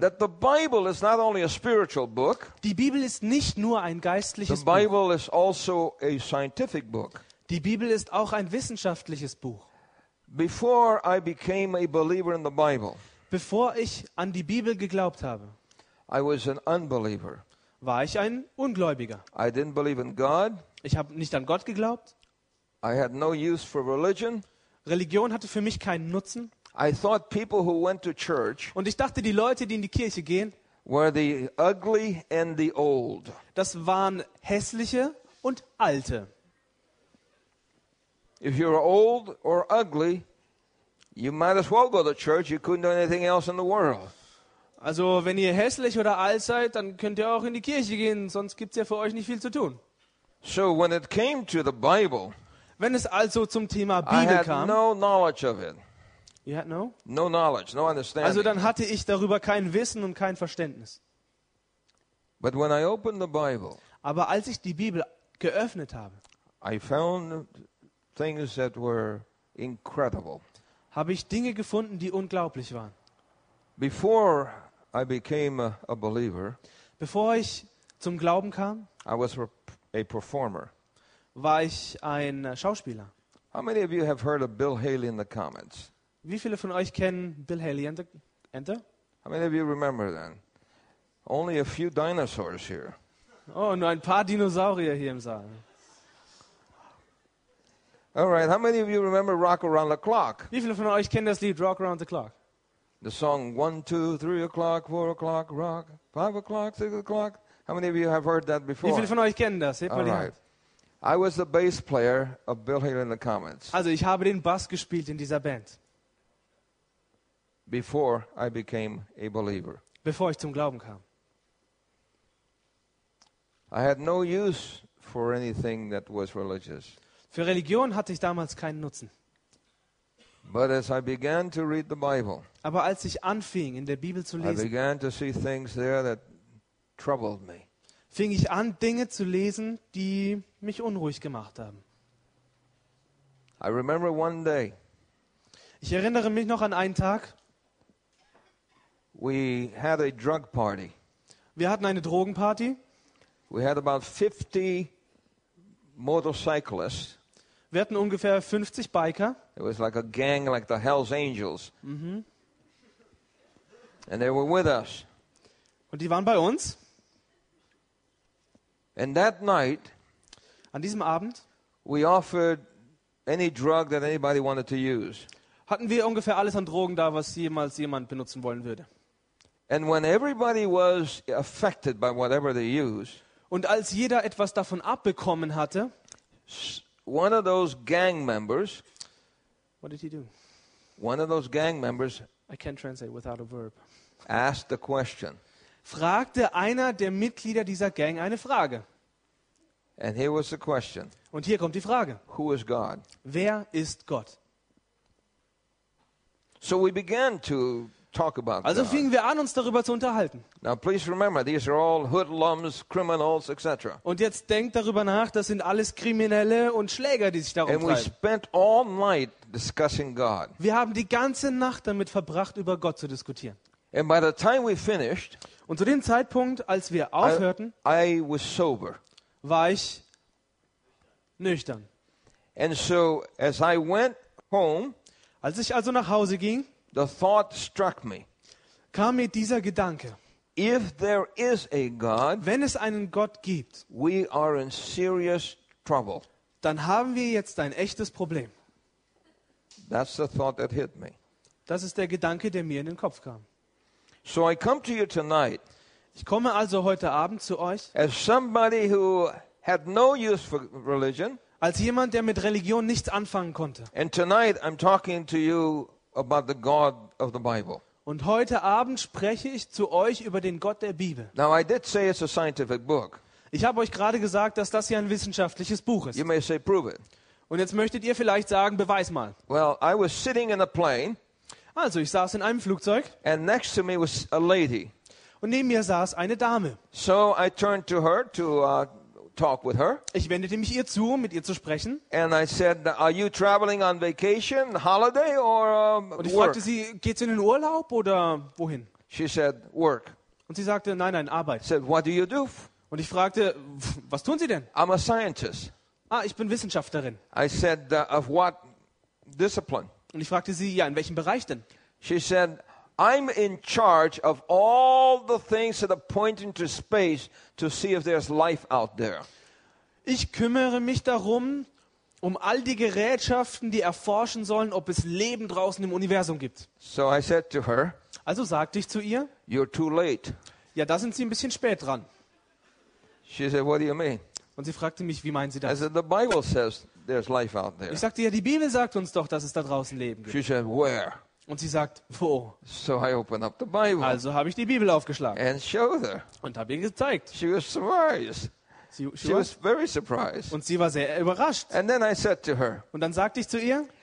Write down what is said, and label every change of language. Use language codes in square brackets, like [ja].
[en] That the Bible is not only a spiritual book. [de] Die Bibel ist nicht nur ein geistliches Buch. [en] The Bible is also a scientific book. [de] Die Bibel ist auch ein wissenschaftliches Buch. [en] Before I became a believer in the Bible. [de] Bevor ich an die Bibel geglaubt habe. [en] I was an unbeliever. [de] War ich ein Ungläubiger. [en] I didn't believe in God. [de] Ich habe nicht an Gott geglaubt. [en] I had no use for religion. [de] Religion hatte für mich keinen Nutzen. [en] I thought people who went to church. [de] Und ich dachte, die Leute, die in die Kirche gehen, [en] were the ugly and the old. [de] Das waren hässliche und alte. [en] If you're old or ugly, you might as well go to church. You couldn't do anything else in the world. [de] Also, wenn ihr hässlich oder alt seid, dann könnt ihr auch in die Kirche gehen, sonst gibt's ja für euch nicht viel zu tun. [en] So when it came to the Bible, [de] wenn es also zum Thema Bibel kam, [en] I had no knowledge of it. You had no? No knowledge, no understanding. [de] Also dann hatte ich darüber kein Wissen und kein Verständnis. [en] But when I opened the Bible, [de] aber als ich die Bibel geöffnet habe, [en] I found things that were incredible. [de] Habe ich Dinge gefunden, die unglaublich waren. [en] Before I became a believer, [de] bevor ich zum Glauben kam, [en] I was a performer. [de] War ich ein Schauspieler. [en] How many of you have heard of Bill Haley in the comments? [de] Wie viele von euch kennen Bill Haley and Enter? [en] How many of you remember then? Only a few dinosaurs here. [de] Oh, nur ein paar Dinosaurier hier im Saal. [en] All right, how many of you remember Rock Around the Clock? [de] Wie viele von euch kennen das Lied Rock Around the Clock? [en] The song 1, 2, 3 o'clock, 4 o'clock, rock, 5 o'clock, 6 o'clock. How many of you have heard that before? [de] Wie viele von euch kennen das? Hebt mal die Hand. [en] I was the bass player of Bill Haley and the Comets. [de] Also ich habe den Bass gespielt in dieser Band. [en] Before I became a believer. [de] Bevor ich zum Glauben kam. [en] I had no use for anything that was religious. [de] Für Religion hatte ich damals keinen Nutzen. [en] But as I began to read the Bible, [de] aber als ich anfing, in der Bibel zu lesen, [en] I began to see things there that troubled me. [de] Fing ich an, Dinge zu lesen, die mich unruhig gemacht haben. [en] I remember one day, [de] ich erinnere mich noch an einen Tag. [en] We had a drug party. [de] Wir hatten eine Drogenparty. [en] We had about 50 motorcyclists. [de] Wir hatten ungefähr 50 Biker. [en] It was like a gang like the Hell's Angels. Mm-hmm. And they were with us. [de] Und die waren bei uns. [en] And that night, [de] an diesem Abend, [en] we offered any drug that anybody wanted to use. [de] Hatten wir ungefähr alles an Drogen da, was jemals jemand benutzen wollen würde. [en] And when everybody was affected by whatever they used, [de] und als jeder etwas davon abbekommen hatte, [en] one of those gang members, what did he do? One of those gang members, I can't translate without a verb, asked the question. [de] Fragte einer der Mitglieder dieser Gang eine Frage. [en] And here was the question. [de] Und hier kommt die Frage. [en] Who is God? [de] Wer ist Gott? [en] So we began to talk about. [de] Also fingen wir an, uns darüber zu unterhalten. [en] Now please remember, these are all hoodlums, criminals, etc. [de] Und jetzt denkt darüber nach, das sind alles Kriminelle und Schläger, die sich darum treiben. [en] And we spent all night discussing God. [de] Wir haben die ganze Nacht damit verbracht, über Gott zu diskutieren. [en] And by the time we finished, [de] und zu dem Zeitpunkt, als wir aufhörten, [en] I was sober. [de] War ich nüchtern. [en] And so as I went home, [de] als ich also nach Hause ging, [en] the thought struck me. [de] Kam mir dieser Gedanke. [en] If there is a God, [de] wenn es einen Gott gibt, [en] we are in serious trouble. [de] Dann haben wir jetzt ein echtes Problem. [en] That's the thought that hit me. [de] Das ist der Gedanke, der mir in den Kopf kam. [en] So I come to you tonight. [de] Ich komme also heute Abend zu euch. [en] As somebody who had no use for religion. [de] Als jemand, der mit Religion nichts anfangen konnte. [en] And tonight I'm talking to you about the God of the Bible. [de] Und heute Abend spreche ich zu euch über den Gott der Bibel. [en] Now I did say it's a scientific book. [de] Ich habe euch gerade gesagt, dass das hier ein wissenschaftliches Buch ist. [en] You may say, prove it. [de] Und jetzt möchtet ihr vielleicht sagen, beweis mal. [en] Well, I was sitting in a plane. [de] Also, ich saß in einem Flugzeug. [en] And next to me was a lady. [de] Und neben mir saß eine Dame. [en] So I turned to her to talk with her. [de] Ich wendete mich ihr zu, um mit ihr zu sprechen. [en] And I said, are you traveling on vacation, holiday or work? [de] Und ich fragte sie, geht's in den Urlaub oder wohin? [en] She said, work. [de] Und sie sagte, nein, nein, Arbeit. [en] Said, what do you do? [de] Und ich fragte, was tun Sie denn? [en] I'm a scientist. [de] Ah, ich bin Wissenschaftlerin. [en] I said, of what discipline? [de] Und ich fragte sie, ja, in welchem Bereich denn? [en] She said, I'm in charge of all the things that are pointing to space to see if there's life out there. [de] Ich kümmere mich darum, um all die Gerätschaften, die erforschen sollen, ob es Leben draußen im Universum gibt. [en] So I said to her, [de] also sagte ich zu ihr, [en] you're too late. [de] Ja, da sind Sie ein bisschen spät dran. [en] She said, what do you mean? [de] Und sie fragte mich, wie meinen Sie das? [en] I said, the Bible says there's life out there. [de] Ich sagte, ja, die Bibel sagt uns doch, dass es da draußen Leben gibt. [en] She said, where? [de] Und sie sagt, wo? [en] So I opened up the Bible. [de] Also habe ich die Bibel aufgeschlagen. [en] And showed her. [de] Und habe ihr gezeigt. [en] She was surprised. She was very surprised. [de] Und sie war sehr überrascht. [en] And then I said to her, [de] und dann sagte ich zu ihr,